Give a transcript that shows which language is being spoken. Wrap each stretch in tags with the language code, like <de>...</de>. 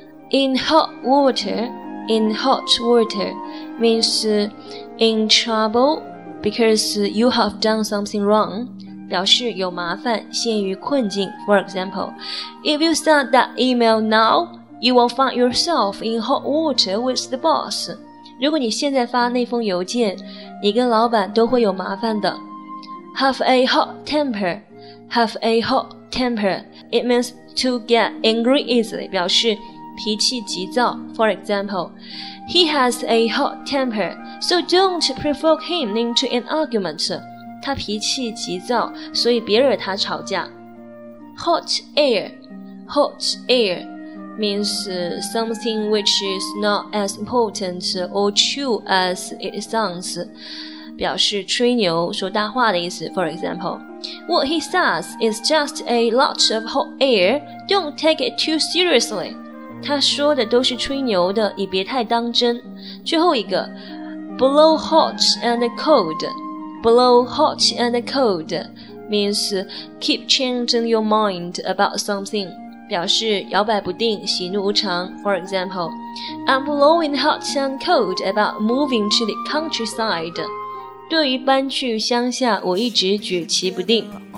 <en>In hot water means in trouble because you have done something wrong.</en> <zh>表示有麻烦，陷于困境。</zh> <en>For example, if you send that email now, you will find yourself in hot water with the boss.</en> <zh>如果你现在发那封邮件，你跟老板都会有麻烦的。</zh> <en>Have a hot temper, have a hot temper. It means to get angry easily,</en> <zh>表示脾气急躁。</zh> <en>For example, he has a hot temper, so don't provoke him into an argument.</en> <zh>他脾气急躁，所以别惹他吵架。</zh> <en>Hot air, hot air means something which is not as important or true as it sounds.</en> <zh>表示吹牛、说大话的意思。</zh> <en>For example, what he says is just a lot of hot air. Don't take it too seriously.</en> <zh>他说的都是吹牛的，你别太当真。最后一个</zh> <en>，blow hot and cold. Blow hot and cold means keep changing your mind about something,</en> <zh>表示摇摆不定，喜怒无常。</zh> <en>For example, I'm blowing hot and cold about moving to the countryside.</en> <zh>对于搬去乡下，我一直举棋不定。</zh>